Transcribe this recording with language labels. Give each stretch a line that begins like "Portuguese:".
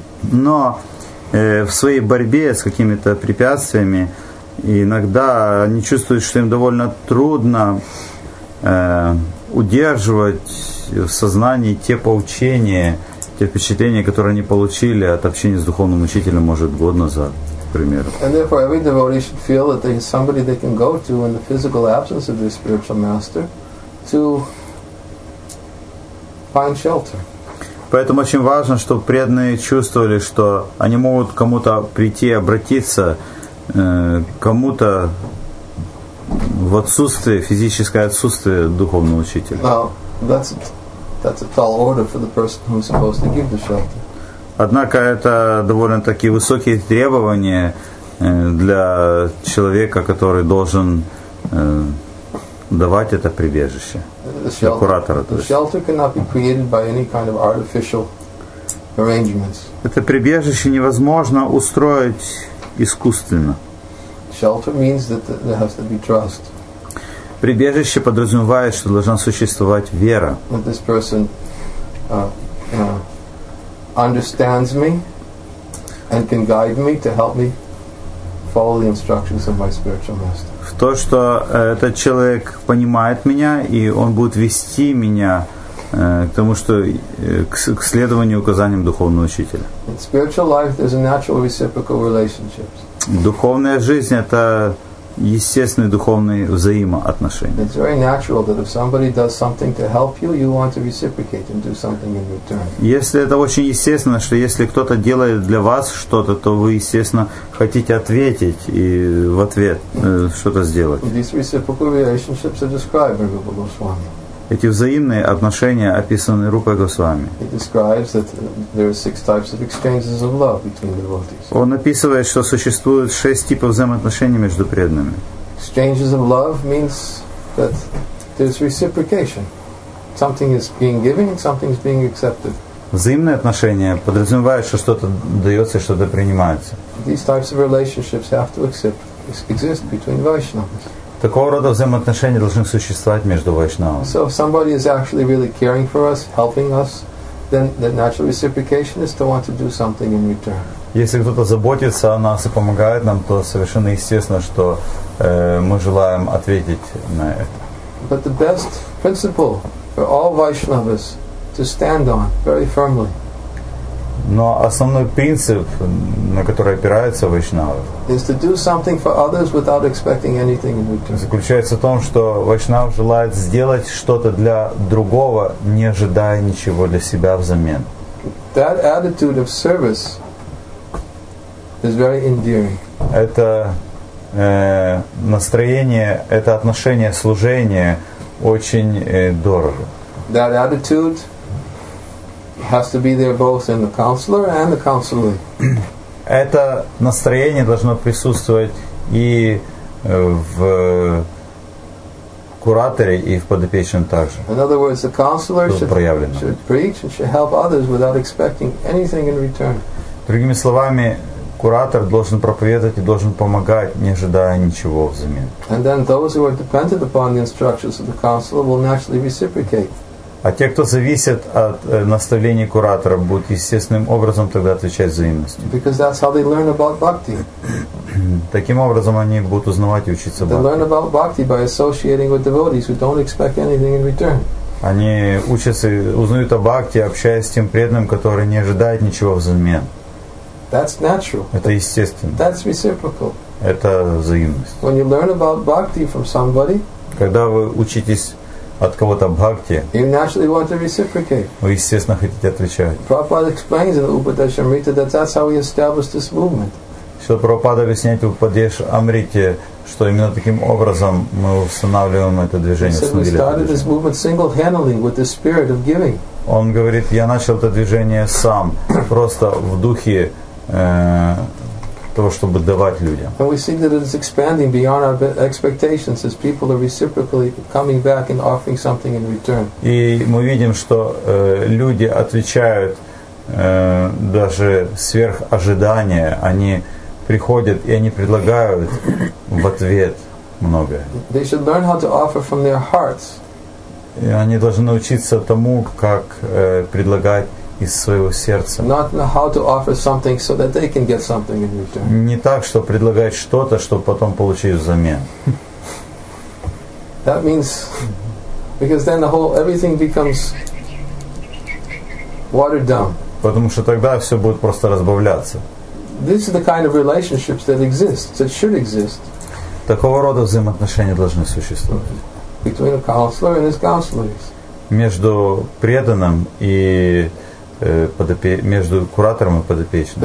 Russian: Но в своей борьбе с какими-то препятствиями иногда они чувствуют, что им довольно трудно удерживать в сознании те поучения, те впечатления, которые они получили от общения с духовным учителем, может, год назад, к примеру.
English: And therefore every devotee should feel that there is somebody they can go to in the physical absence of their spiritual master to find shelter.
Russian: Поэтому очень важно, чтобы преданные чувствовали, что они могут кому-то прийти, обратиться, кому-то в отсутствие, физическое отсутствие духовного учителя.
English: Now, that's a tall order for the person who's supposed to give the shelter.
Russian: Однако это довольно-таки высокие требования для человека, который должен давать это прибежище.
English: Shelter cannot be created by any kind of artificial arrangements.
Russian: Это прибежище невозможно устроить искусственно.
English: Shelter means that there has to be trust.
Russian: Прибежище подразумевает, что должна существовать вера.
English: That this person understands me and can guide me to help me follow the instructions of my spiritual master.
Russian: То, что этот человек понимает меня, и он будет вести меня к тому, что к следованию указаниям духовного учителя.
English: In spiritual life there's a natural reciprocal relationships.
Russian: Духовная жизнь – это естественные духовные взаимоотношения.
English: It's very natural that if somebody does something to help you, you want to reciprocate and do something in return.
Russian: Если это очень естественно, что если кто-то делает для вас что-то, то вы, естественно, хотите ответить и в ответ что-то сделать.
English: These reciprocal relationships are described by Rupa Goswami.
Russian: Эти взаимные отношения описаны Рупой Госвами.
English: It describes that there are six types of exchanges of love between devotees.
Russian: Он описывает, что существует шесть типов взаимоотношений между преданными.
English: Exchanges of love means that there's reciprocation. Something is being given, something is being accepted.
Russian: Взаимные отношения подразумевают, что что-то дается, что-то принимается.
English: These types of relationships have to exist between Vaishnavas.
Russian: Такого рода взаимоотношения должны существовать между вайшнавами.
English: So if somebody is actually really caring for us, helping us, then the natural reciprocation is to want to do something in return.
Russian: Если кто-то заботится о нас и помогает нам, то совершенно естественно, что мы желаем ответить на это.
English: But the best principle for all Vaishnavas to stand on very firmly.
Russian: Но основной принцип, на который опираются вайшнавы,
English: is to do something for others without expecting anything in return.
Russian: Заключается в том, что вайшнав желает сделать что-то для другого, не ожидая ничего для себя взамен.
English: That attitude of service is very endearing.
Russian: Это настроение, это отношение служения очень дорого.
English: That attitude has to be there both in the counselor and the counselee.
Russian: Это настроение должно присутствовать и в кураторе, и в подопечном также.
English: In other words, the counselor should preach and should help others without expecting anything in return.
Russian: Другими словами, куратор должен проповедовать и должен помогать, не ожидая ничего взамен.
English: And then those who are dependent upon the instructions of the counselor will naturally reciprocate.
Russian: А те, кто зависит от наставления куратора, будут естественным образом тогда отвечать взаимностью.
English: Because that's how they learn about bhakti.
Russian: Таким образом они будут узнавать и учиться bhakti.
English: They learn about bhakti by associating with devotees who don't expect anything in return.
Russian: Они учатся, узнают о бхакти, общаясь с тем преданным, который не ожидает ничего взамен.
English: That's natural.
Russian: Это естественно.
English: That's reciprocal.
Russian: Это взаимность.
English: When you learn about bhakti from somebody,
Russian: когда вы учитесь от кого-то бхакти,
English: you naturally want to reciprocate.
Russian: Вы, естественно, хотите отвечать.
English: Prabhupada explains in the Upadeshamrita that that's how he established this movement.
Russian: Что Прабхупада объясняет в Упадешамрите, что именно таким образом мы устанавливаем это движение.
English: He said, we started this movement single-handedly with the spirit of giving.
Russian: Он говорит, я начал это движение сам, просто в духе того, чтобы давать людям.
English: And we see that it is expanding beyond our expectations as people are reciprocally coming back and offering something in return.
Russian: И мы видим, что люди отвечают даже сверх ожидания. Они приходят и они предлагают в ответ многое.
English: They should learn how to offer from their hearts.
Russian: И они должны учиться тому, как предлагать из своего сердца.
English: Not how to offer something so that they can get something in return.
Russian: Не так, что предлагать что-то, чтобы потом получить взамен.
English: That means, because then the whole everything becomes watered down.
Russian: Потому что тогда все будет просто разбавляться.
English: This is the kind of relationships that exist, that should exist.
Russian: Такого рода взаимоотношения должны существовать.
English: Between a counselor and his counselors.
Russian: Между преданным и между куратором и подопечным.